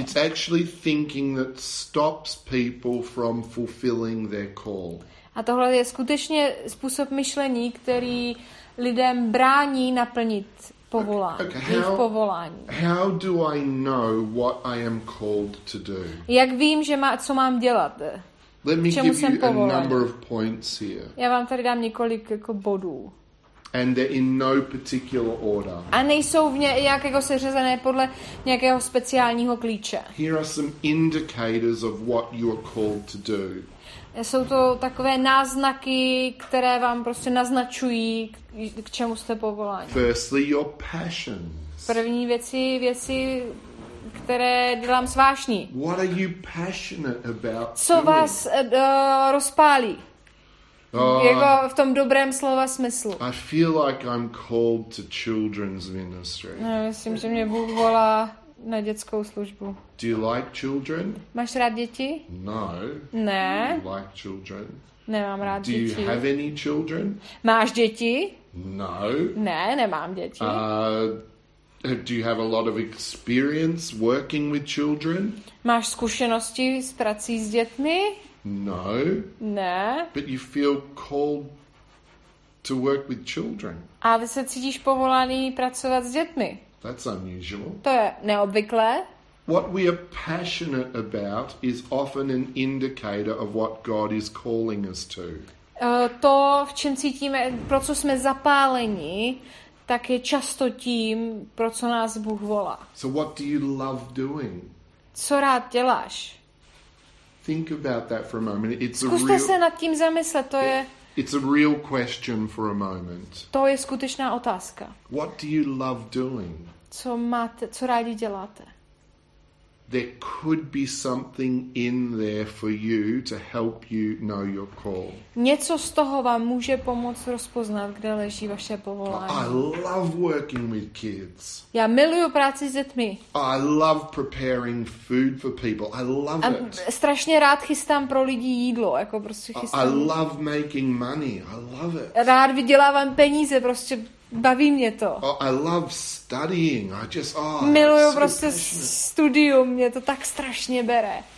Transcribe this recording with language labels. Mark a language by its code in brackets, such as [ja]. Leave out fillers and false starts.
[en] It's actually thinking that stops people from fulfilling their call. [cs] A tohle je skutečně způsob myšlení, který lidem brání naplnit povolání. [en] How do I know what I am called to do? [cs] Jak vím, že co mám dělat? [en] Let me give you a number of points here. [cs] Já vám tady dám několik jako bodů. [en] And they're in no particular order. [cs] A nejsou v nějakého seřazené podle nějakého speciálního klíče. [en] Here are some indicators of what you are called to do. [cs] Jsou to takové náznaky, které vám prostě naznačují, k čemu jste povoláni. [en] Firstly, your passions. [cs] První věci, které dělám s vášní. [en] What are you passionate about? [cs] Co vás rozpálí? Jako v tom dobrém slova smyslu. [en] I feel like I'm called to children's ministry. [cs] No, myslím, že mě Bůh volá na dětskou službu. [en] Do you like children? [cs] Máš rád děti? [en] No. [cs] Ne. [en] Do you like children? [cs] Nemám rád děti. [en] Do you have any children? [cs] Máš děti? [en] No. [cs] Ne, nemám děti. [en] Do you have a lot of experience working with children? [cs] Máš zkušenosti s prací s dětmi? [en] No. [cs] Ne. [en] But you feel called to work with children. [cs] A ty se cítíš povolaný pracovat s dětmi? [en] That's unusual. [cs] To je neobvyklé. [en] What we are passionate about is often an indicator of what God is calling us to. [cs] To, v čem cítíme, pro co jsme zapáleni, tak je často tím, pro co nás Bůh volá. [en] So what do you love doing? [cs] Co rád děláš? [en] Think about that for a moment. It's [cs] Zkuste [en] a real, [cs] se nad tím zamyslet, to je... [en] It's a real question for a moment. [cs] To je skutečná otázka. [en] What do you love doing? [cs] Co máte, co rádi děláte? [en] There could be something in there for you to help you know your call. [cs] Něco z toho vám může pomoct rozpoznat, kde leží vaše povolání. [en] I love working with kids. [cs] Já miluju práci s dětmi. [en] I love preparing food for people. I love it. [cs] Strašně rád chystám pro lidi jídlo, jako prostě chystám. [en] I love making money. I love it. [cs] Rád vydělávám peníze, prostě baví mě to. [en] Oh, I love studying. I just, oh, [cs] miluju [en] so [cs] prostě [en] passionate. [cs] Studium, mě to tak strašně bere.